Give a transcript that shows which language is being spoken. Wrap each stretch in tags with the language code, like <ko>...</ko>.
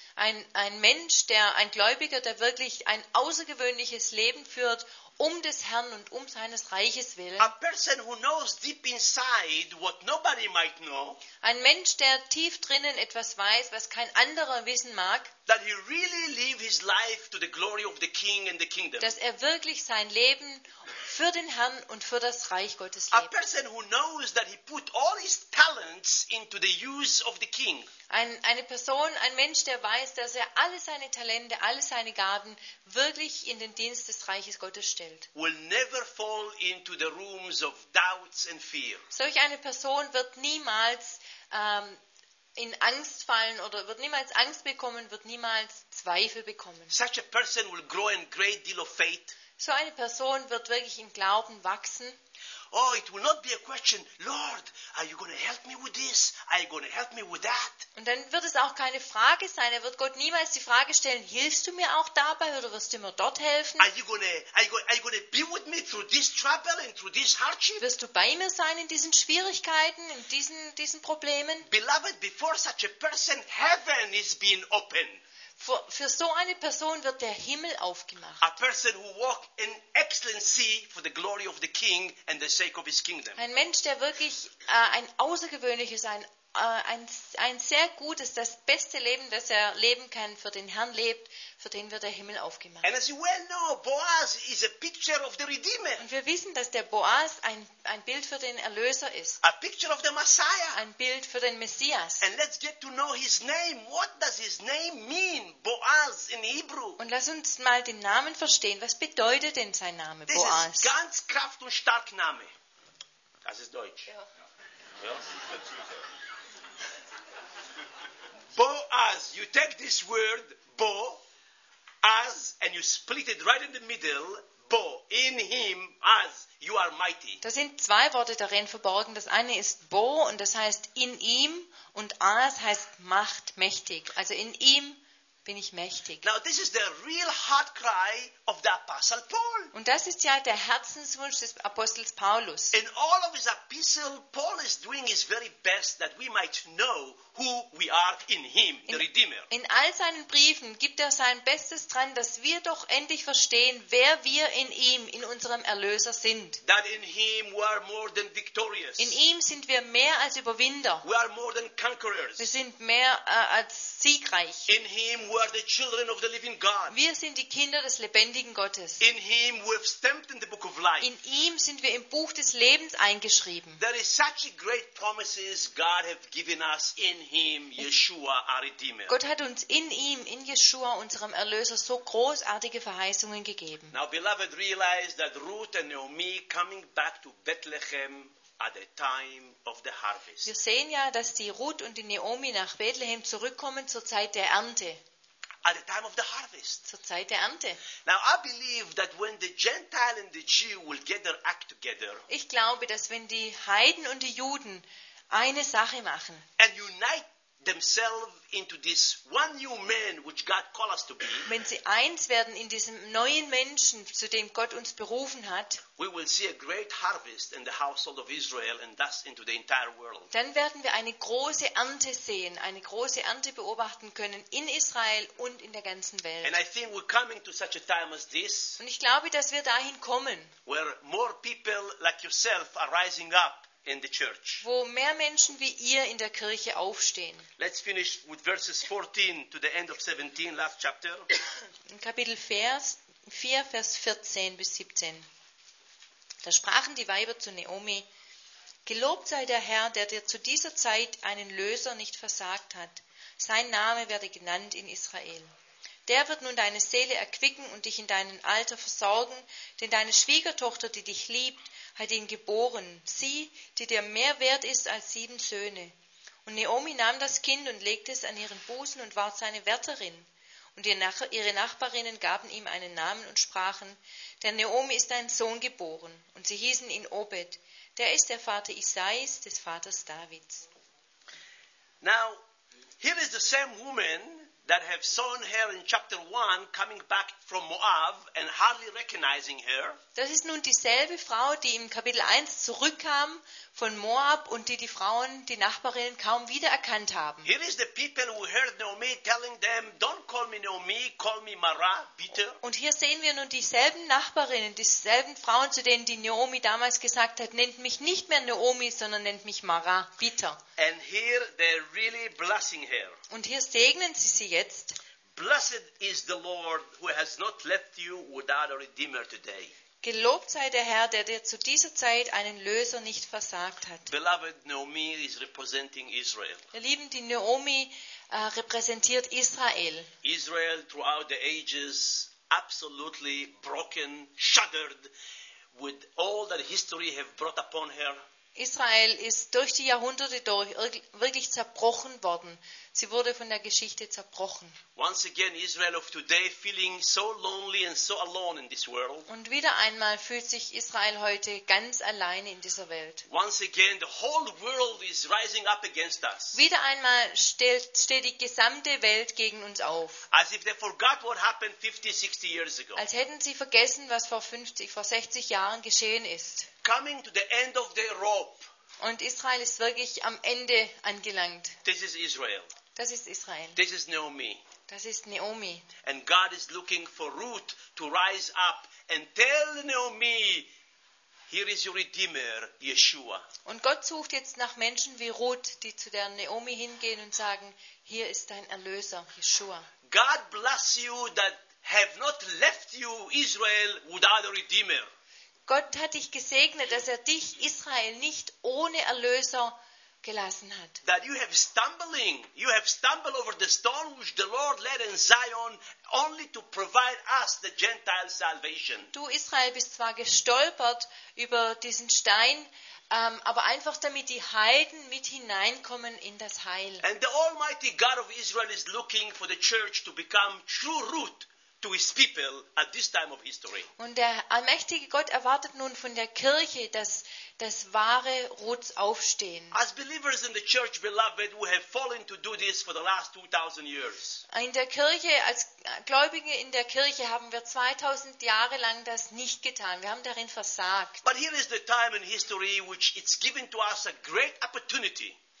<de>Ein Gläubiger, der wirklich ein außergewöhnliches Leben führt, um des Herrn und um seines Reiches willen.</de> <en>A person who knows deep inside what nobody might know.</en> <de>Ein Mensch, der tief drinnen etwas weiß, was kein anderer wissen mag.</de> <en>That he really live his life to the glory of the king and the kingdom.</en> <de>Dass er wirklich sein Leben für den Herrn und für das Reich Gottes lebt.</de> <en>A person who knows that he put all his talents into the use of the king.</en> <de>Ein Mensch, der weiß, dass er alle seine Talente, alle seine Gaben wirklich in den Dienst des Reiches Gottes stellt.</de> <en>Will never fall into the rooms of doubts and fear.</en> <de>Solch eine Person wird niemals in Angst fallen oder wird niemals Angst bekommen, wird niemals Zweifel bekommen.</de> <en>Such a person will grow in great deal of faith.</en> <de>So eine Person wird wirklich im Glauben wachsen.</de> <en>Oh, it will not be a question, Lord, are you going to help me with this? Are you going to help me with that?</en> <de>Und dann wird es auch keine Frage sein. Er wird Gott niemals die Frage stellen, hilfst du mir auch dabei oder wirst du mir dort helfen?</de> <en>Are you going to be with me through this trouble and through this hardship?</en> <de>Wirst du bei mir sein in diesen Schwierigkeiten, in diesen Problemen?</de> <en>Beloved, before such a person, heaven is being opened.</en> <de>Für so eine Person wird der Himmel aufgemacht.</de> <en>A person who walk in excellency for the glory of the king and the sake of his kingdom.</en> <de>Ein Mensch, der wirklich ein außergewöhnliches, ein ein sehr gutes, das beste Leben, das er leben kann, für den Herrn lebt, für den wird der Himmel aufgemacht.</de> <en>And as you well know, Boaz is a picture of the Redeemer.</en> <de>Und wir wissen, dass der Boaz ein Bild für den Erlöser ist.</de> <en>A picture of the Messiah.</en> <de>Ein Bild für den Messias.</de> <en>And let's get to know his name. What does his name mean, Boaz in Hebrew?</en> <de>Und lass uns mal den Namen verstehen. Was bedeutet denn sein Name, Boaz?</de> <en>This is</en> <de>ganz Kraft und stark Name. Das ist Deutsch.</de> <en>Boaz, you take this word, Bo, as, and you split it right in the middle, Bo, in him, as, you are mighty.</en> <de>Da sind zwei Worte darin verborgen. Das eine ist Bo, und das heißt in ihm, und as heißt Macht, mächtig. Also in ihm bin ich mächtig.</de> <en>Now this is the real heart cry of the Apostle Paul.</en> <de>Und das ist ja der Herzenswunsch des Apostels Paulus.</de> <en>In all of his epistles, Paul is doing his very best that we might know who we are in him, the Redeemer.</en> <de>In all seinen Briefen gibt er sein Bestes dran, dass wir doch endlich verstehen, wer wir in ihm, in unserem Erlöser sind.</de> <en>That in him we are more than victorious.</en> <de>In ihm sind wir mehr als Überwinder.</de> <en>We are more than conquerors.</en> <de>Wir sind mehr als siegreich.</de> <en>In him we are the children of the living God.</en> <de>Wir sind die Kinder des lebendigen Gottes.</de> <en>In him we have stamped in the book of life.</en> <de>In ihm sind wir im Buch des Lebens eingeschrieben.</de> <en>There is such a great promises God has given us in him, Yeshua, our Redeemer.</en> <de>Gott hat uns in ihm, in Yeshua, unserem Erlöser, so großartige Verheißungen gegeben.</de> <en>Now, beloved, realize that Ruth and Naomi coming back to Bethlehem at the time of the harvest.</en> <de>Wir sehen ja, dass die Ruth und die Naomi nach Bethlehem zurückkommen zur Zeit der Ernte.</de> <en>At the time of the harvest.</en> <de>Zur Zeit der Ernte.</de> <en>Now I believe that when the Gentile and the Jew will get their act together.</en> <de>Ich glaube, dass wenn die Heiden und die Juden eine Sache machen.</de> <en>And unite themselves into this one new man which God called us to be.</en> <de>Wenn sie eins werden in diesem neuen Menschen, zu dem Gott uns berufen hat.</de> <en>We will see a great harvest in the household of Israel and thus into the entire world.</en> <de>Dann werden wir eine große Ernte sehen, eine große Ernte beobachten können in Israel und in der ganzen Welt.</de> <en>And I think we're coming to such a time as this.</en> <de>Und ich glaube, dass wir dahin kommen.</de> <en>Where more people like yourself are rising up. In the church.</en> <de>Wo mehr Menschen wie ihr in der Kirche aufstehen.</de> <en>Let's finish with verses 14 to the end of 17, last chapter.</en> <de>In Kapitel 4, Vers 14 bis 17. Da sprachen die Weiber zu Naomi: Gelobt sei der Herr, der dir zu dieser Zeit einen Löser nicht versagt hat. Sein Name werde genannt in Israel. Der wird nun deine Seele erquicken und dich in deinem Alter versorgen, denn deine Schwiegertochter, die dich liebt, hat ihn geboren, sie, die dir mehr wert ist als sieben Söhne. Und Naomi nahm das Kind und legte es an ihren Busen und ward seine Wärterin. Und ihre Nachbarinnen gaben ihm einen Namen und sprachen, der Naomi ist dein Sohn geboren. Und sie hießen ihn Obed. Der ist der Vater Isais, des Vaters Davids.</de> <en>Now, here is the same woman that have seen her in chapter 1 coming back from Moab and hardly recognizing her.</en> <de>Das ist nun dieselbe Frau, die im Kapitel 1 zurückkam von Moab und die Frauen, die Nachbarinnen, kaum wiedererkannt haben.</de> <en>Here is the people who heard Naomi telling them, don't call me Naomi, call me Mara, bitter.</en> <de>Und hier sehen wir nun dieselben Nachbarinnen, dieselben Frauen, zu denen die Naomi damals gesagt hat, nennt mich nicht mehr Naomi, sondern nennt mich Mara, bitter.</de> <en>And here they're really blessing her.</en> <de>Und hier segnen sie sie jetzt.</de> <en>Blessed is the Lord who has not left you without a redeemer today.</en> <de>Gelobt sei der Herr, der dir zu dieser Zeit einen Löser nicht versagt hat.</de> <en>Beloved, Naomi is representing Israel.</en> <de>Ihr Lieben, die Naomi repräsentiert Israel.</de> <en>Israel throughout the ages absolutely broken, shattered with all that history have brought upon her.</en> <de>Israel ist durch die Jahrhunderte durch wirklich zerbrochen worden. Sie wurde von der Geschichte zerbrochen.</de> <en>Once again, Israel of today feeling so lonely and so alone in this world.</en> <de>Und wieder einmal fühlt sich Israel heute ganz alleine in dieser Welt.</de> <en>Once again, the whole world is rising up against us.</en> <de>Wieder einmal steht die gesamte Welt gegen uns auf.</de> <en>As if they forgot what happened 50, 60 years ago.</en> <de>Als hätten sie vergessen, was vor 60 Jahren geschehen ist.</de> <en>Coming to the end of their rope.</en> <de>Und Israel ist wirklich am Ende angelangt.</de> <en>This is Israel.</en> <de>Das ist Israel.</de> <en>This is Naomi.</en> <de>Das ist Naomi.</de> <en>And God is looking for Ruth to rise up and tell Naomi, Here is your Redeemer, Yeshua.</en> <de>Und Gott sucht jetzt nach Menschen wie Ruth, die zu der Naomi hingehen und sagen, hier ist dein Erlöser, Yeshua.</de> <en>God bless you that have not left you, Israel, without a Redeemer.</en> <de>Gott hat dich gesegnet, dass er dich, Israel, nicht ohne Erlöser gelassen hat.</de> <en>That you have stumbling, you have stumbled over the stone which the Lord laid in Zion, only to provide us the Gentile salvation.</en> <de>Du Israel bist zwar gestolpert über diesen Stein, aber einfach damit die Heiden mit hineinkommen in das Heil.</de> <en>And the Almighty God of Israel is looking for the church to become true root to his people at this time of history.</en> <de>Und der allmächtige Gott erwartet nun von der Kirche, dass das wahre Roots aufstehen.</de> <en>As believers in the church, beloved, we have fallen to do this for the last 2000 years.</en> <de>In der Kirche, als Gläubige in der Kirche, haben wir 2000 Jahre lang das nicht getan. Wir haben darin versagt.</de> <en>But here is the time in history which it's given to us a great opportunity.</en>